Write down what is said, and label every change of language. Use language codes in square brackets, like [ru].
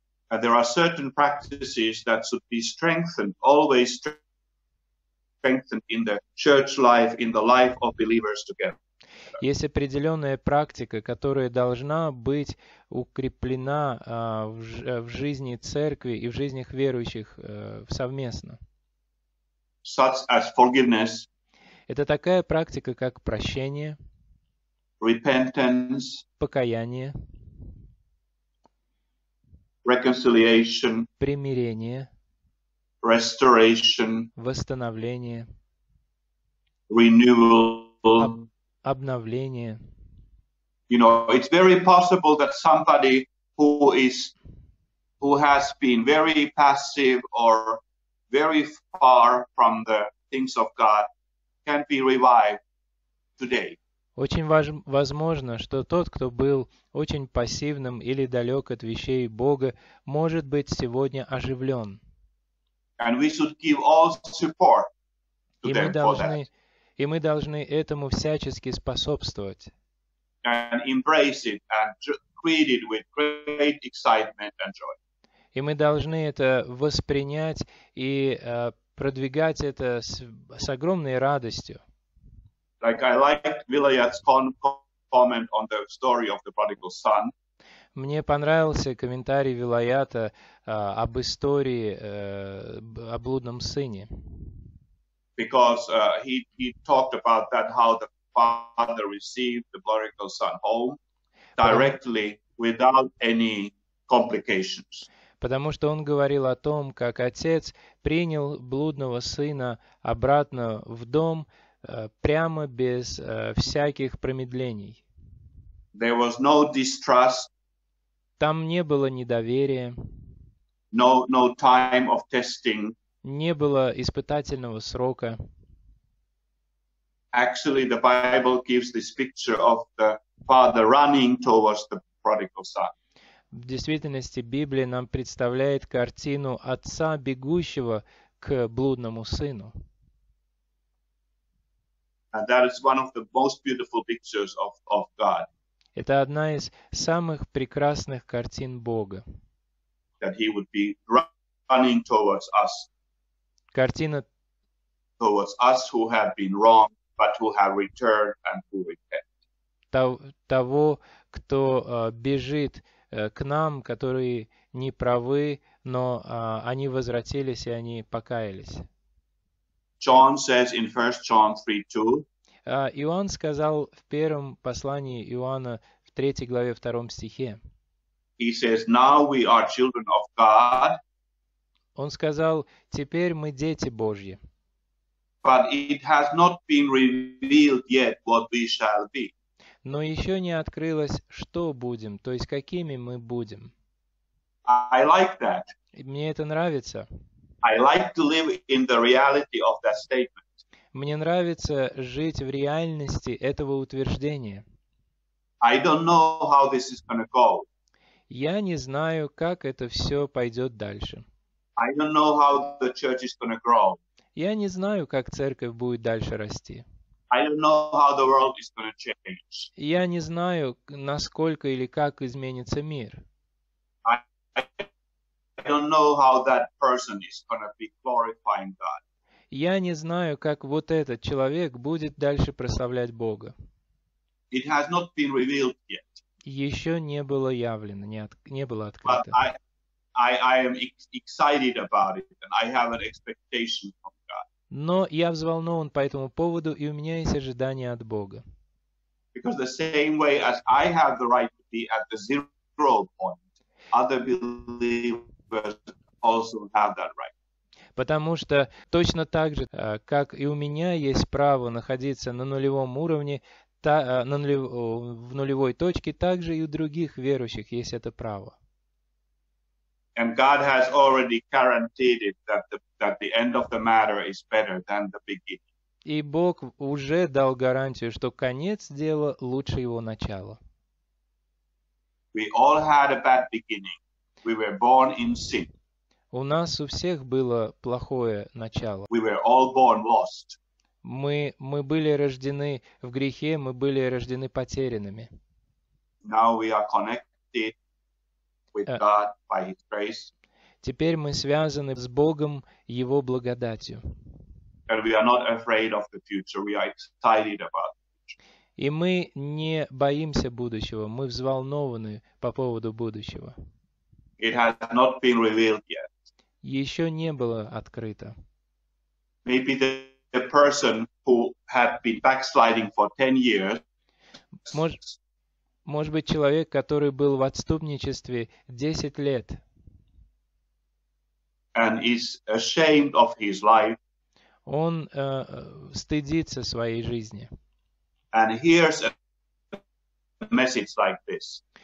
[en] And there are certain practices that should be strengthened, always strengthened. Strengthened in the church life, in the life of believers together. [ru] Есть определенная практика, которая должна быть укреплена в жизни церкви и в жизнях верующих совместно. [en] Such as forgiveness. [ru] Это такая практика, как прощение. [en] Repentance. [ru] Покаяние. [en] Reconciliation. [ru] Примирение. [en] Restoration, [ru] восстановление, [en] renewal, [ru] обновление. [en] You know, it's very possible that somebody who has been very passive or very far from the things of God can be revived today. [ru] Очень возможно, что тот, кто был очень пассивным или далек от вещей Бога, может быть сегодня оживлен. [en] And we should give all support to them for that. [ru] И мы должны этому всячески способствовать. [en] And embrace it and greet it with great excitement and joy. [ru] И мы должны это воспринять и продвигать это с огромной радостью. [en] Like I liked Villiers' comment on the story of the prodigal son. [ru] Мне понравился комментарий Вилаята об истории о блудном сыне. [en] Because he talked about that, how the father received the prodigal son home directly without any complications. [ru] Потому что он говорил о том, как отец принял блудного сына обратно в дом прямо без всяких промедлений. [en] There was no distrust. [ru] Там не было недоверия. [en] No time of testing. [ru] Не было испытательного срока. [en] Actually, the Bible gives this picture of the father running towards the prodigal son. [ru] В действительности Библия нам представляет картину отца, бегущего к блудному сыну. [en] And that is one of the most beautiful pictures of God. [ru] Это одна из самых прекрасных картин Бога. [en] That he would be running towards us. [ru] Картина [en] towards us who have been wrong, but who have returned and who repent. [ru] Того, кто бежит к нам, которые не правы, но они возвратились и они покаялись. [en] John says in 1 John 3:2. [ru] Иоанн сказал в первом послании Иоанна в 3 главе 2 стихе. [en] He says, now we are children of God. [ru] Он сказал: теперь мы дети Божьи. [en] but it has not been revealed yet what we shall be. [ru] Но еще не открылось, что будем, то есть какими мы будем. [en] I like that. [ru] Мне это нравится. [en] I like to live in the reality of that statement. [ru] Мне нравится жить в реальности этого утверждения. [en] I don't know how this is going to go. [ru] Я не знаю, как это все пойдет дальше. [en] I don't know how the church is going to grow. [ru] Я не знаю, как церковь будет дальше расти. [en] I don't know how the world is going to change. [ru] Я не знаю, насколько или как изменится мир. [en] I don't know how that person is going to be glorifying God. [ru] Я не знаю, как вот этот человек будет дальше прославлять Бога. [en] It has not been revealed yet. [ru] Еще не было явлено, не было открыто. [en] I am excited about it, and I have an expectation from God. [ru] Но я взволнован по этому поводу, и у меня есть ожидания от Бога. [en] Because the same way as I have the right to be at the zero point, other believers also have that right. [ru] Потому что точно так же, как и у меня есть право находиться на нулевом уровне, в нулевой точке, так же и у других верующих есть это право. [en] And God has already guaranteed it that the end of the matter is better than the beginning. [ru] И Бог уже дал гарантию, что конец дела лучше его начала. [en] We all had a bad beginning. We were born in sin. [ru] У нас у всех было плохое начало. [en] We were all born lost. [ru] Мы были рождены в грехе, мы были рождены потерянными. [en] Now we are connected with God by His grace. [ru] Теперь мы связаны с Богом, Его благодатью. [en] And we are not afraid of the future. We are excited about the future. [ru] И мы не боимся будущего, мы взволнованы по поводу будущего. [en] It has not been revealed yet. [ru] Еще не было открыто. [en] Maybe the person who had been backsliding for 10 years. [ru] Может быть, человек, который был в отступничестве 10 лет. [en] And is ashamed of his life. [ru] Он стыдится своей жизни. [en] And hears a message like this.